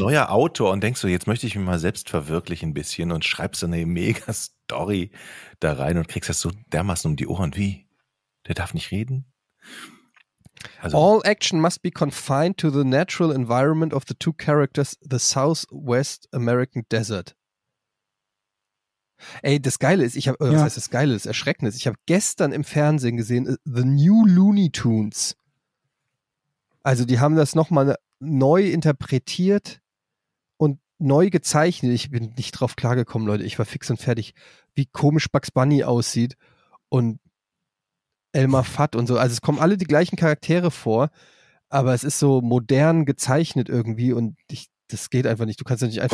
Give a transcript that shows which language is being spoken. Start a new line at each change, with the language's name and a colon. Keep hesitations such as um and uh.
German: neuer Autor und denkst so, jetzt möchte ich mich mal selbst verwirklichen ein bisschen und schreibst so eine mega Story da rein und kriegst das so dermaßen um die Ohren. Wie? Der darf nicht reden? Also,
English: All action must be confined to the natural environment of the two characters, the Southwest American Desert.
German: Ey, das Geile ist, ich habe, Ja. was heißt das Geile, das Erschreckende ist, ich habe gestern im Fernsehen gesehen, äh, The New Looney Tunes. Also die haben das nochmal neu interpretiert und neu gezeichnet. Ich bin nicht drauf klargekommen, Leute. Ich war fix und fertig, wie komisch Bugs Bunny aussieht und Elmer Fudd und so. Also es kommen alle die gleichen Charaktere vor, aber es ist so modern gezeichnet irgendwie und ich, das geht einfach nicht. Du kannst ja nicht einfach.